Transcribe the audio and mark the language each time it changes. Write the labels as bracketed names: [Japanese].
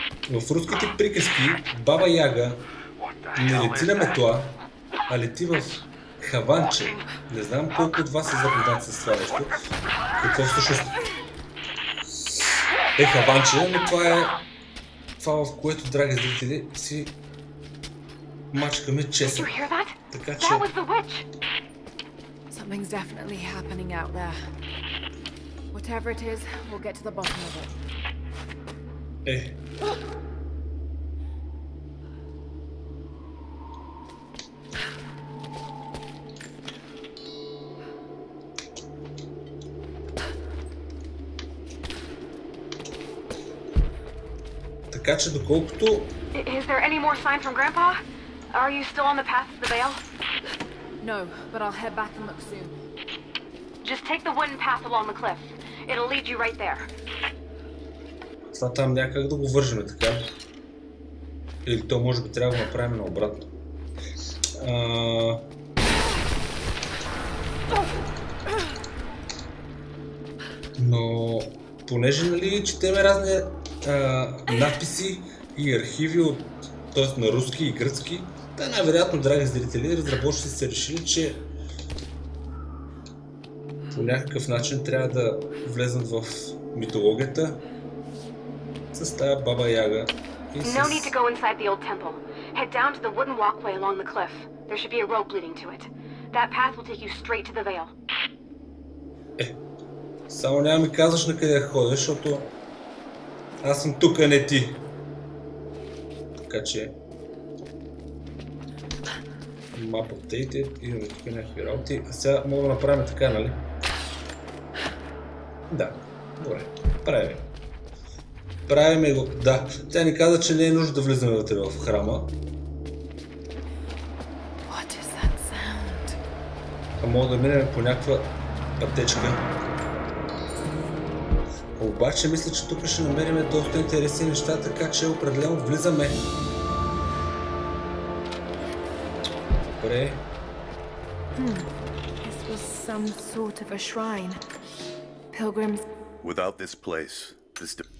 [Bulgarian] В руските приказки Баба Яга не лети на метла, а лети в... Хаванче. Не знам колко от вас е запознат с това нещо. Какво всъщност е Хаванче, но това е това, в което, драги зрители, си мачкаме чесън. Така че... [English] Something's definitely happening out there. Whatever it is, we'll get to the bottom of it. [Bulgarian] Е. Така че доколкото... [English] Is there any more sign from Grandpa? Are you still on the path to the veil? No, but I'll head back and look soon. Just take the wooden path along the cliff. It'll lead you right there. [Bulgarian] Това там някак да го вържеме, така. Или то може би трябва да направим на обратно. Но... Понеже, нали, четеме разни... надписи и архиви от, т.е. на руски и гръцки. Да, най-вероятно, драги зрители, разработчиците са решили, че по някакъв начин трябва да влезнат в митологията с тая Баба Яга и с... [English] No need to go inside the old temple. Head down to the wooden walkway along the cliff. There should be a rope leading to it. That path will take you straight to the veil. [Bulgarian] Е, само няма ми казваш на къде ходиш, защото аз съм тук, а не ти. Така че... [English] Map updated. [Bulgarian] Имаме тук някакви работи. А сега мога да направим така, нали? Да. Добре. Правим. Правим го. Да. Тя ни каза, че не е нужно да влизаме вътре в храма. [English] What is that sound? [Bulgarian] А мога да минем по някаква пътечка. Обаче мисля, че тук ще намерим доста интересни неща, така че определено влизаме. Добре. [English] This was some sort of a shrine. Pilgrims. Without this place, this